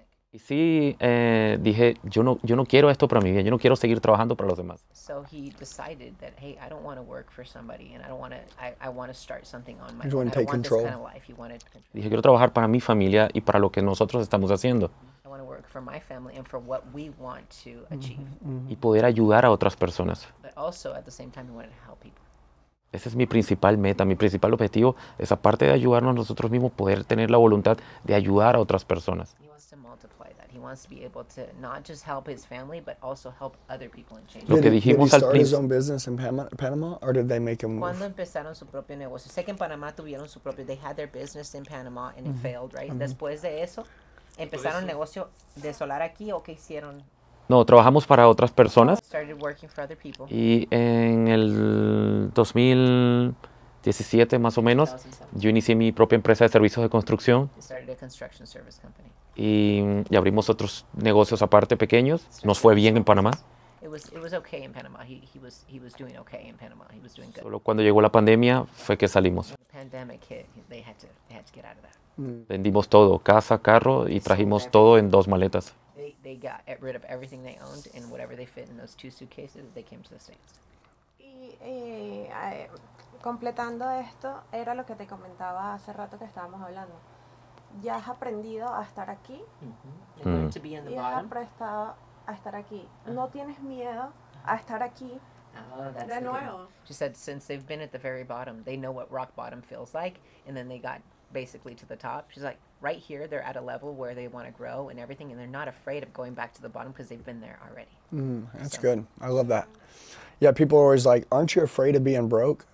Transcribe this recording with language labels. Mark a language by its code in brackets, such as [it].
[es] Y sí, dije, yo no quiero esto para mi vida, yo no quiero seguir trabajando para los demás. [en] So he decided that, hey, I don't want to work for somebody and I don't want to, I want to start something on my own. I want to take control. This kind of life. He wanted control. [es] Dije, quiero trabajar para mi familia y para lo que nosotros estamos haciendo. [en] I want to work for my family and for what we want to achieve. Mm-hmm. [es] Y poder ayudar a otras personas. [en] But also, at the same time, he wanted to help people. [es] Esa es mi principal meta, mi principal objetivo, esa parte de ayudarnos nosotros mismos, poder tener la voluntad de ayudar a otras personas. [en] He wants to be able to not just help his family, but also help other people in change. Did he start his own business in Panama, or did they make him move? [es] Cuando empezaron su propio negocio. Sé que en Panamá tuvieron su propio, [en] they had their business in Panama, and it failed, right? Mm-hmm. [es] Después de eso, empezaron negocio de solar aquí, ¿o qué hicieron? No, trabajamos para otras personas. [en] Started working for other people. [es] Y en el 2017, más o menos, yo inicié mi propia empresa de servicios de construcción. [en] He started a construction service company. [es] Y abrimos otros negocios aparte pequeños. Nos fue bien en Panamá. [en] It was okay in Panama. He was doing okay in Panama. He was doing good. [es] Solo cuando llegó la pandemia fue que salimos. [en] The pandemic hit, they had to get out of that. [es] Vendimos todo, casa, carro, y trajimos todo en dos maletas. [en] They got rid of everything they owned and whatever they fit in those two suitcases, they came to the States. [es] Y completando esto, era lo que te comentaba hace rato que estábamos hablando. Ya has aprendido a estar aquí, mm-hmm. Y has aprendido a estar aquí. No tienes miedo a estar aquí de nuevo. [en] She said, since they've been at the very bottom, they know what rock bottom feels like, and then they got basically to the top. She's like, right here, they're at a level where they want to grow and everything, and they're not afraid of going back to the bottom because they've been there already. That's so good. I love that. Yeah, people are always like, aren't you afraid of being broke?